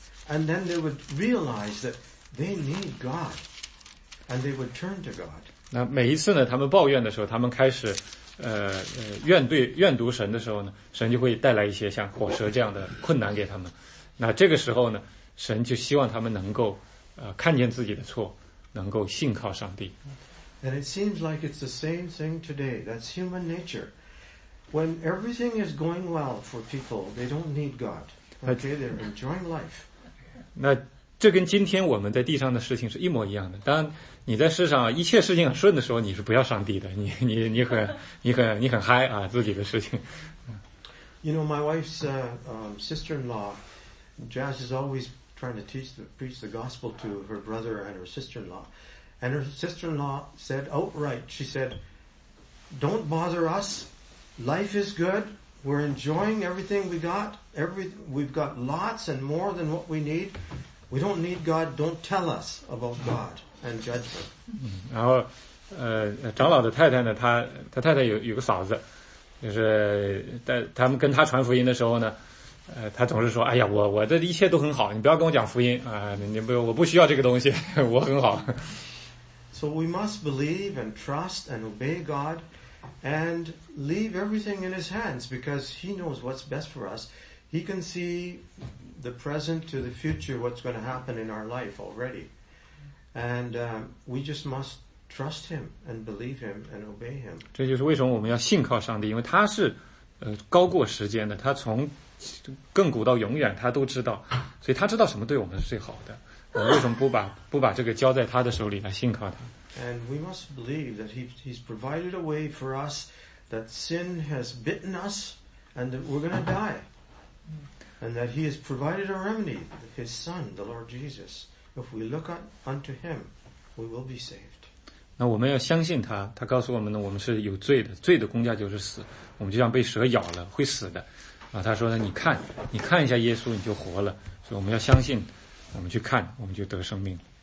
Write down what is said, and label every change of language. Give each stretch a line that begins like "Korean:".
English: And then they would realize that they need God. And they would turn to God.
Chinese: 那每一次呢他们抱怨的时候他们开始怨毒神的时候呢神就会带来一些像火蛇这样的困难给他们。那这个时候呢神就希望他们能够看见自己的错能够信靠上帝。
English: And it seems like it's the same thing today. That's human nature. When everything is going well for people, they don't need God. Okay, they're enjoying life.
Chinese: 那这跟今天我们在地上的事情是一模一样的。当你在世上一切事情很顺的时候，你是不要上帝的。你很嗨啊，自己的事情。
English: You know, my wife's sister-in-law, Jazz is always trying to preach the gospel to her brother and her sister-in-law. And her sister-in-law said outright, she said, "Don't bother us." Life is good. We're enjoying everything we got. We've got lots and more than what we need. We don't need God. Don't tell us about God and judgment.
Chinese: 然后，长老的太太呢，她太太有个嫂子，就是在他们跟她传福音的时候呢，她总是说：“哎呀，我这一切都很好，你不要跟我讲福音啊，我不需要这个东西，我很好。”
English: So we must believe and trust and obey God. And leave everything in his hands because he knows what's best for us. He can see the present to the future, what's going to happen in our life already. And, we just must trust him and believe him and obey him.
Chinese: 这就是为什么我们要信靠上帝，因为他是高过时间的，他从亘古到永远他都知道，所以他知道什么对我们是最好的。我们为什么不把这个交在他的手里来信靠他？
English: And we must believe that he's provided a way for us that sin has bitten us and that we're going to die. And that he has provided a remedy, his son, the Lord Jesus. If we look unto him, we will be saved.
Chinese: 那我们要相信他，他告诉我们呢，我们是有罪的，罪的工价就是死，我们就像被蛇咬了，会死的。啊，他说呢，你看一下耶稣，你就活了。所以我们要相信，我们去看，我们就得生命。